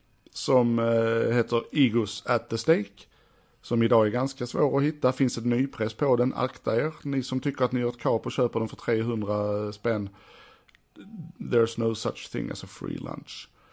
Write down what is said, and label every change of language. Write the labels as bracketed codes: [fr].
[sv] Som heter Egos at the Stake. Som idag är ganska svår att hitta. Finns ett nypress på den. Akta er. Ni som tycker att ni gör ett kap och köper den för 300 spänn. [en] There's no such thing as a free lunch.